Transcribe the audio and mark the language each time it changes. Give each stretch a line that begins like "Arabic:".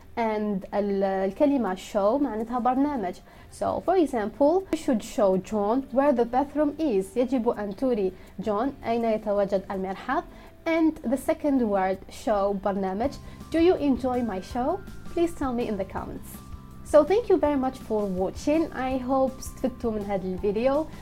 Arabic: And الكلمة show معناتها برنامج.
English: So for example, you should show John where the bathroom is.
Arabic: يجب أن تري جون أين يتواجد المرحاض.
English: And the second word, show برنامج. Do you enjoy my show? Please tell me in the comments. So thank you very much for watching. I hope
Arabic: استفدتوا من هذا الفيديو.